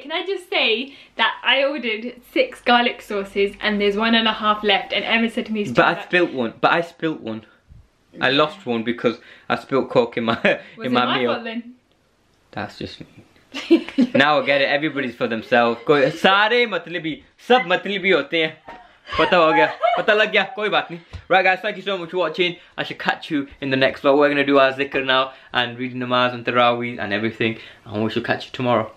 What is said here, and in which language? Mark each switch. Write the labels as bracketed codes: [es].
[en] Can I just say that I ordered 6 garlic sauces and there's 1.5 left, and Emma said to me, But I spilt one. I lost one because I spilt coke in my meal. That's just me. Now I get it, everybody's for themselves. [hi] कोई सारे मतलबी, सब मतलबी होते हैं। पता हो गया, पता लग गया, कोई बात नहीं। [en] Right, guys, thank you so much for watching. I shall catch you in the next vlog. We're gonna do our zikr now and read namaz and tarawih and everything. And we shall catch you tomorrow.